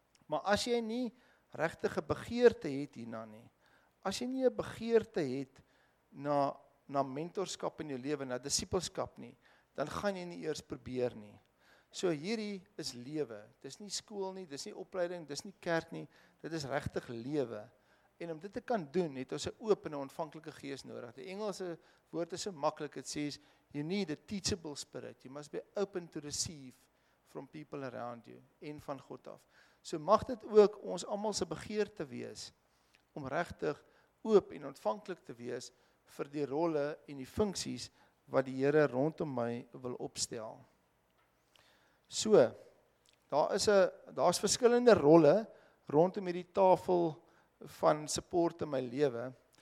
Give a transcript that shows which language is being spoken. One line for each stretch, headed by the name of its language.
Afrikaans: Maar as jy nie regtig 'n begeerte het hierna nie, as jy nie 'n begeerte het na mentorskap in jou lewe, na disippelskap nie, dan gaan jy nie eers probeer nie. So hierdie is lewe. Dis nie skool nie, dis nie opleiding, dis nie kerk nie. Dit is regtig lewe. En om dit te kan doen, het ons 'n oop en ontvanklike gees nodig. Die Engelse woord is so maklik. Dit sê
English: you need a teachable spirit. You must be open to receive from people around you
Afrikaans: en van God af. So mag dit ook ons almal se begeerte wees om regtig oop en ontvanklik te wees vir die rolle en die funksies wat die Here rondom my wil opstel. So, daar's verskillende rolle rondom hierdie tafel van support in my lewe.